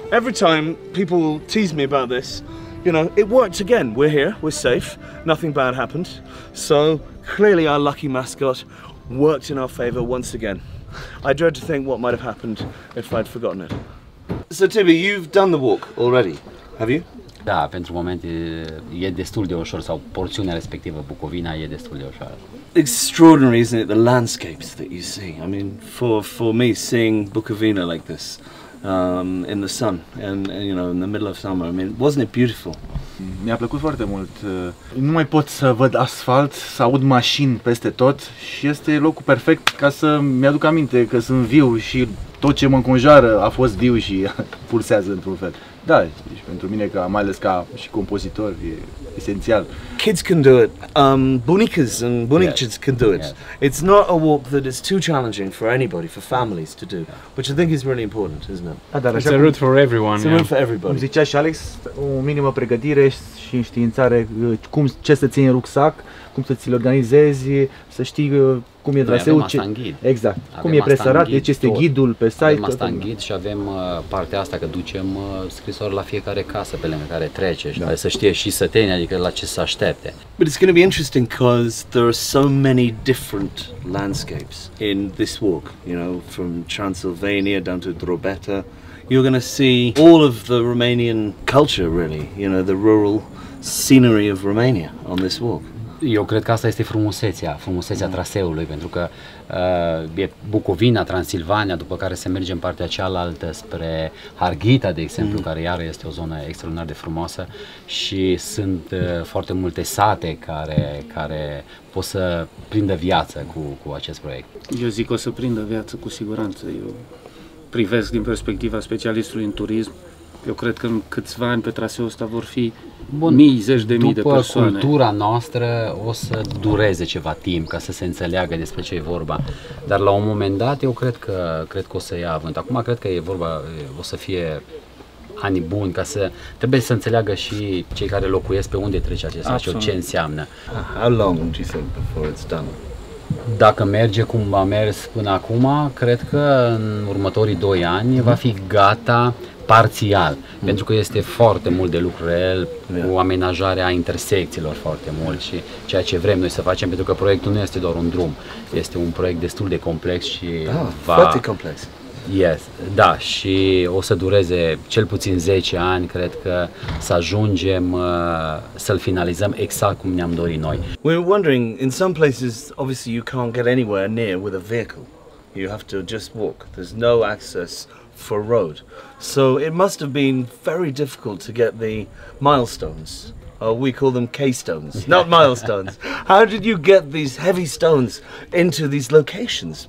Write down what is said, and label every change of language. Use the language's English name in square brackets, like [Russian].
[English] Every time people tease me about this, you know, it worked again. We're here, we're safe, nothing bad happened. So clearly our lucky mascot worked in our favor once again. I dread to think what might have happened if I'd forgotten it. So Tibby, you've done the walk already, have you? [Romanian] Da, pentru moment e destul de ușor, sau porțiunea respectivă, Bucovina, e destul de ușoară. [English] Extraordinary, isn't it, the landscapes that you see? I mean, for me, seeing Bucovina like this, in the sun, and you know, in the middle of summer. I mean, wasn't it beautiful? [Romanian] Mi-a plăcut foarte mult. Nu mai pot să văd asfalt, să aud mașini peste tot și este locul perfect ca să mi-aduc aminte că sunt viu și tot ce mă înconjoară a fost viu și pulsează într-un fel. Da, și pentru mine, ca, mai ales ca și compozitor, e esențial. [English] Kids can do it. Bunicas and bunicas can do it. It's not a walk that is too challenging for anybody, for families to do, which I think is really important, isn't it? Da, it's a route for everyone. It's a route for everybody. [Romanian] Zicea și Alex, o minimă pregătire și înștiințare, cum, ce să ții în rucsac, cum să ți-l organizezi, să știi cum e traseul, ce... ghid. Exact. Avem cum e presărat, deci este ghidul pe site. Avem asta în ghid și avem partea asta că ducem scrisori la fiecare casă pe lângă care trece și să știe și sătenia, adică la ce să aștepte. [English] But it's going to be interesting because there are so many different landscapes in this walk, you know, from Transylvania down to Drobeta. You're going to see all of the Romanian culture really, you know, the rural scenery of Romania on this walk. [Romanian] Eu cred că asta este frumusețea traseului, pentru că e Bucovina, Transilvania, după care se merge în partea cealaltă spre Harghita, de exemplu, care iară este o zonă extraordinar de frumoasă și sunt foarte multe sate care pot să prindă viață cu acest proiect. Eu zic că o să prindă viață cu siguranță. Eu privesc din perspectiva specialistului în turism. Eu cred că în câțiva ani pe traseul ăsta vor fi mii, zeci de mii de persoane. După cultura noastră o să dureze ceva timp ca să se înțeleagă despre ce e vorba, dar la un moment dat eu cred că o să ia avânt. Acum cred că e vorba, o să fie ani buni ca să trebuie să înțeleagă și cei care locuiesc pe unde trece acest traseu, ce înseamnă. [English] How long do you think before it's done? [Romanian] Dacă merge cum a mers până acum, cred că în următorii 2 ani va fi gata parțial, pentru că este foarte mult de lucru real, cu amenajarea intersecțiilor foarte mult și ceea ce vrem noi să facem, pentru că proiectul nu este doar un drum, este un proiect destul de complex și foarte complex. Yes, da, și o să dureze cel puțin 10 ani, cred că, să ajungem să-l finalizăm exact cum ne-am dorit noi. [English] We're wondering, in some places, obviously you can't get anywhere near with a vehicle. You have to just walk. There's no access for road. So it must have been very difficult to get the milestones. We call them K-stones, not milestones. How did you get these heavy stones into these locations?